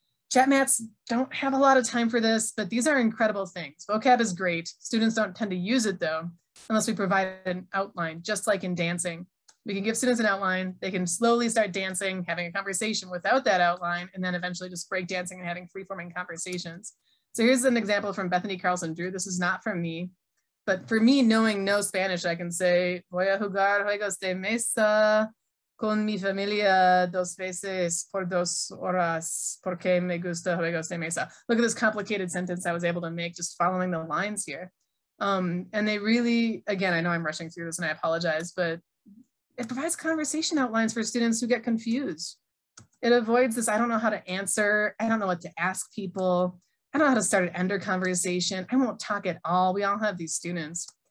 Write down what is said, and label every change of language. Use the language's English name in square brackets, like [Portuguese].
[English] Chat mats don't have a lot of time for this, but these are incredible things. Vocab is great. Students don't tend to use it though, unless we provide an outline, just like in dancing. We can give students an outline, they can slowly start dancing, having a conversation without that outline, and then eventually just break dancing and having free-forming conversations. So here's an example from Bethany Carlson-Drew. This is not from me, but for me, knowing no Spanish, I can say, [Spanish] voy a jugar juegos de mesa [English] con mi familia dos veces por dos horas porque me gusta juegos de mesa. Look at this complicated sentence I was able to make just following the lines here. And they really, again, I know I'm rushing through this and I apologize, but it provides conversation outlines for students who get confused. It avoids this, I don't know how to answer, I don't know what to ask people, I don't know how to start an end or conversation, I won't talk at all, we all have these students.